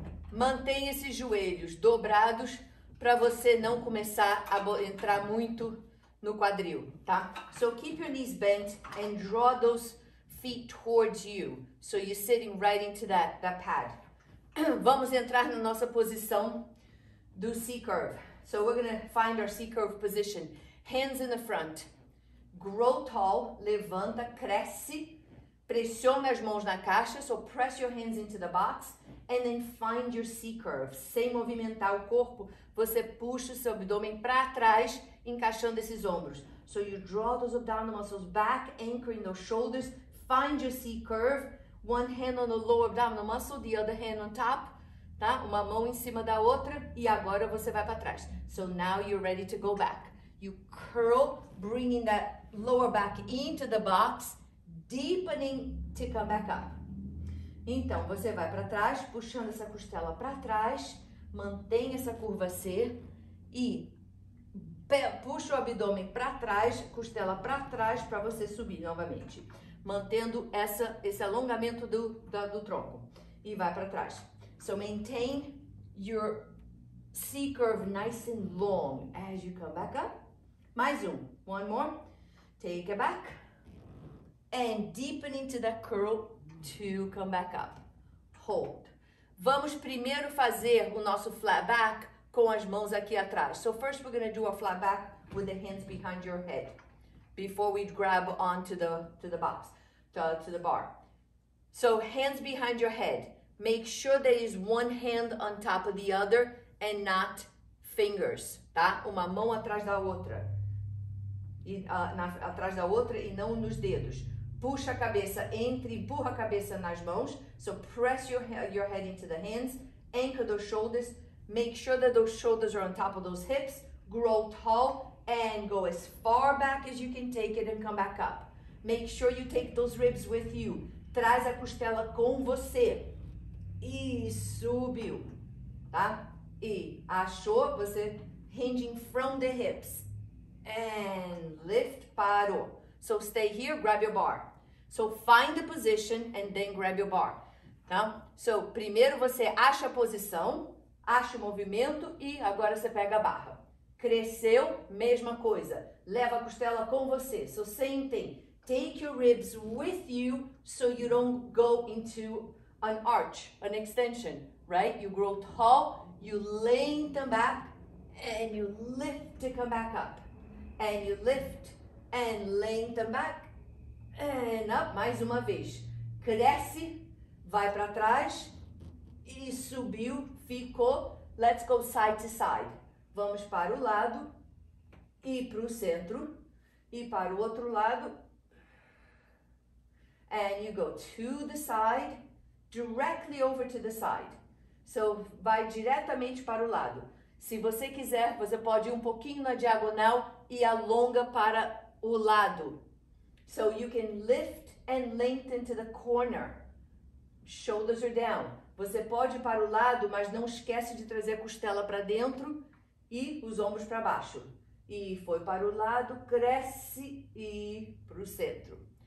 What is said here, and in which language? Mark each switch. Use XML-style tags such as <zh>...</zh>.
<pt>Mantenha esses joelhos dobrados para você não começar a entrar muito no quadril, tá?</pt> <en>So keep your knees bent and draw those feet towards you. So you're sitting right into that pad.</en> <pt>Vamos entrar na nossa posição do C curve.</pt> <en>So we're gonna find our C curve position. Hands in the front. Grow tall,</en> <pt>levanta, cresce. Pressione as mãos na caixa.</pt> <en>So press your hands into the box. And then find your C curve.</en> <pt>Sem movimentar o corpo, você puxa o seu abdômen para trás, encaixando esses ombros.</pt> <en>So you draw those abdominal muscles back, anchoring those shoulders. Find your C curve. One hand on the lower abdominal muscle, the other hand on top.</en> <pt>Tá? Uma mão em cima da outra. E agora você vai para trás.</pt> <en>So now you're ready to go back. You curl, bringing that lower back into the box, deepening to come back up.</en> <pt>Então, você vai para trás, puxando essa costela para trás, mantém essa curva C e puxa o abdômen para trás, costela para trás, para você subir novamente, mantendo esse alongamento do tronco. E vai para trás.</pt> <en>So maintain your C curve nice and long as you come back up.</en> <pt>Mais um,</pt> <en>one more. Take it back. And deepening to that curl to come back up. Hold.</en> <pt>Vamos primeiro fazer o nosso flat back com as mãos aqui atrás.</pt> <en>So first we're going to do a flat back with the hands behind your head before we grab onto the box, to the bar. So hands behind your head. Make sure there is one hand on top of the other and not fingers, tá?</en> <pt>Uma mão atrás da outra. Atrás da outra e não nos dedos. Puxa a cabeça, entre, empurra a cabeça nas mãos.</pt> <en>So press your head into the hands. Anchor those shoulders. Make sure that those shoulders are on top of those hips. Grow tall and go as far back as you can take it and come back up. Make sure you take those ribs with you.</en> <pt>Traz a costela com você. E subiu, tá? E achou, você</pt> <en>hinging from the hips. And lift,</en> <pt>parou.</pt> <en>So stay here, grab your bar. So find the position and then grab your bar, tá?</en> <pt>So, primeiro você acha a posição, acha o movimento e agora você pega a barra. Cresceu, mesma coisa. Leva a costela com você.</pt> <en>So same thing. Take your ribs with you so you don't go into an arch, an extension, right? You grow tall, you lengthen back and you lift to come back up. And you lift and lengthen back. And up,</en> <pt>mais uma vez. Cresce, vai para trás e subiu, ficou.</pt> <en>Let's go side to side.</en> <pt>Vamos para o lado e para o centro e para o outro lado.</pt> <en>And you go to the side, directly over to the side.</en> <pt>So, vai diretamente para o lado. Se você quiser, você pode ir um pouquinho na diagonal e alonga para o lado.</pt> <en>So you can lift and lengthen to the corner. Shoulders are down.</en> <pt>Você pode ir para o lado, mas não esquece de trazer a costela para dentro e os ombros para baixo. E foi para o lado, cresce e para o centro.</pt>